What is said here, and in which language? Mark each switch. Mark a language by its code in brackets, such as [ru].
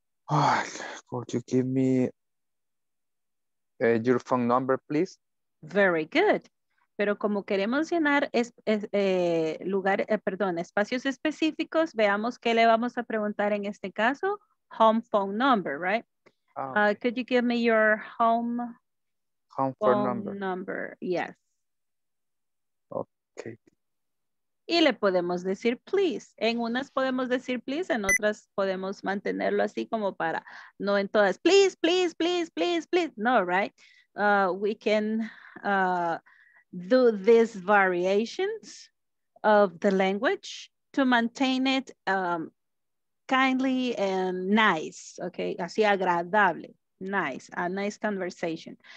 [en] Oh, could you give me your phone number, please? Very good. [es] Pero como queremos llenar espacios específicos, veamos qué le vamos a preguntar en este caso. [en] Home phone number, right? Could you give me your home phone number? Yes. Okay. [es] Y le podemos decir please. En unas podemos decir please, en otras podemos mantenerlo así como para no en todas. [en] Please, please, please, please, please. No, right? We can do these variations of the language to maintain it kindly and nice, okay? [es] Así agradable, nice, [en] a nice conversation.